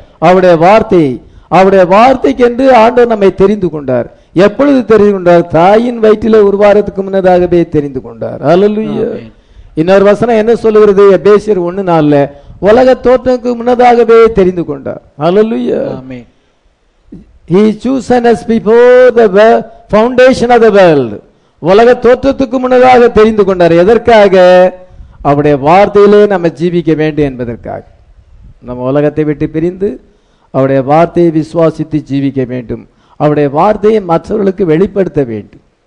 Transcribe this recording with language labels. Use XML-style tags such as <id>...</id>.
<ta>அவருடைய வார்த்தையை, அவருடைய வார்த்தைக்கென்று ஆண்டவர் நம்மை தெரிந்து கொண்டார். எப்பொழுது தெரிந்து கொண்டார்? தாயின் வயிற்றில் ஒரு வாரத்துக்கு முன்னதாகவே தெரிந்து கொண்டார். ஹல்லேலூயா. இன்னொரு வசனம் என்ன சொல்லுகிறது? எபேசியர் 1:4, உலக தோற்றத்துக்கு முன்னதாகவே தெரிந்து கொண்டார். ஹல்லேலூயா. ஆமென்.</ta> <en>He chose us before the foundation of the world.</en> <ta>உலக தோற்றத்துக்கு முன்னதாக தெரிந்து கொண்டார். எதற்காக? அவருடைய வார்த்தையிலே நம்ம ஜீவிக்க வேண்டும் என்பதற்காக. நம்ம உலகத்தை விட்டு பிரிந்து அவருடைய வார்த்தையை விசுவாசித்து ஜீவிக்க வேண்டும், அவருடைய வார்த்தையை மற்றவர்களுக்கு வெளிப்படுத்த வேண்டும்.</ta>